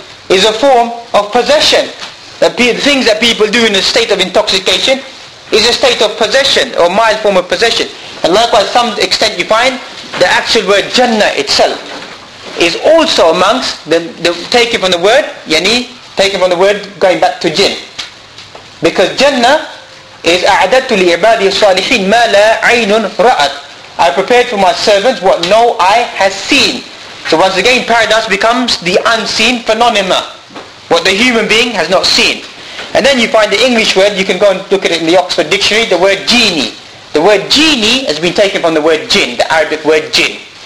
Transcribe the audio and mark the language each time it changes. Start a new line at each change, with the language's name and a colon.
English: Is a form of possession. The things that people do in a state of intoxication is a state of possession, or mild form of possession. And likewise, some extent you find the actual word Jannah itself is also amongst the taken from the word yani, taken from the word going back to jinn. Because Jannah is
Arabic: أَعْدَدْتُ لِعِبَادِي الصَّالِحِينَ مَا لَا عَيْنٌ رَأَتْ.
English: I prepared for my servants what no eye has seen. So once again, paradise becomes the unseen phenomena, what the human being has not seen. And then you find the English word, you can go and look at it in the Oxford Dictionary, the word genie. The word genie has been taken from the word jinn, the Arabic word jinn.